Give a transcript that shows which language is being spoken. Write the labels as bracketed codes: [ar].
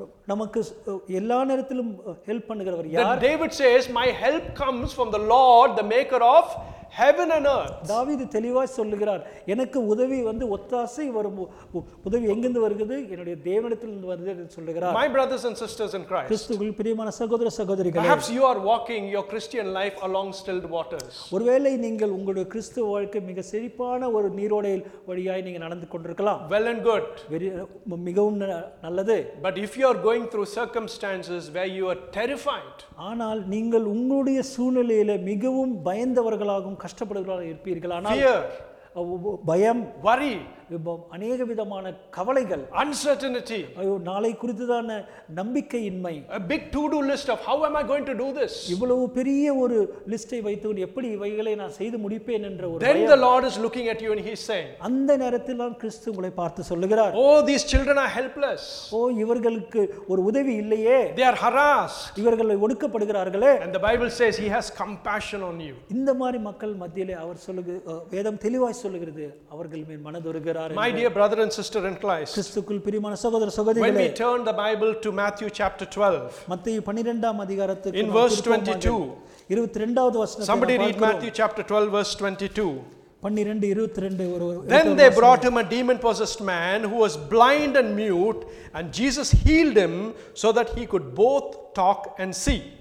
[ta] நமக்கு எல்லா நேரத்திலும் ஹெல்ப் பண்ணுகிறவர் யார்? [en] David says, my help comes from the Lord, the maker of heaven and earth. [ta] தாவீது தெளிவாக சொல்கிறார், எனக்கு உதவி வந்து ஒத்தாசை வரும். உதவி எங்கிருந்து வருகிறது? என்னுடைய தேவனிடத்தில் இருந்து வருகிறது என்று சொல்கிறார். [en] My brothers and sisters in Christ, [ta] கிறிஸ்துவில் பிரியமான சகோதர சகோதரிகளே, [en] perhaps you are walking your Christian life along stilled waters. [ta] ஒருவேளை நீங்கள் உங்களுடைய கிறிஸ்துவ வாழ்க்கை மிக செழிப்பான ஒரு நீரோடையில் வழியாய் நீங்கள் நடந்து கொண்டிருக்கலாம். [en] Well and good, [ta] மிகவும் நல்லது. [en] But if you are going through circumstances where you are terrified, [ta] ஆனால் நீங்கள் உங்களுடைய சூழ்நிலையில மிகவும் பயந்தவர்களாகவும் கஷ்டப்படுகிறவர்களாக இருப்பீர்கள். ஆனால் [en] fear, [ta] பயம், [en] worry, [ta] அநேக விதமான கவலைகள், [en] uncertainty, [ta] ஐயோ நாளை குறித்துதான நம்பிக்கையின்மை, [en] a big to-do list of how am I going to do this, [ta] இவ்வளவு பெரிய ஒரு லிஸ்டை வைத்து எப்படி இவைகளை நான் செய்து முடிப்பேன் என்ற ஒரு, [en] then the Lord is looking at you and he's saying, [ta] அந்த நேரத்தில் தான் கிறிஸ்து உங்களை பார்த்து சொல்லுகிறார், [en] oh these children are helpless, [ta] ஓ இவர்களுக்கு ஒரு உதவி இல்லையே, [en] they are harassed, [ta] இவர்கள் ஒடுக்கப்படுகிறார்களே, [en] and the Bible says he has compassion on you, [ta] இந்த மாதிரி மக்கள் மத்தியிலே அவர் சொல்லுது, வேதம் தெளிவாய் சொல்லுகிறது அவர்கள் மேல் மனதுருகிறார். [en] My dear brother and sister in Christ, [ta] கிறிஸ்துவுக்குள் பிரியமான சகோதர சகோதரிகளே, [en] when we turn the Bible to Matthew chapter 12, [ta] மத்தேயு 12 அதிகாரத்துக்கு, [en] in verse 22, [ta] 22வது வசனத்தை, [en] somebody read Matthew chapter 12 verse 22. [ta] 12:22, [en] then they brought him a demon possessed man who was blind and mute, and Jesus healed him so that he could both talk and see.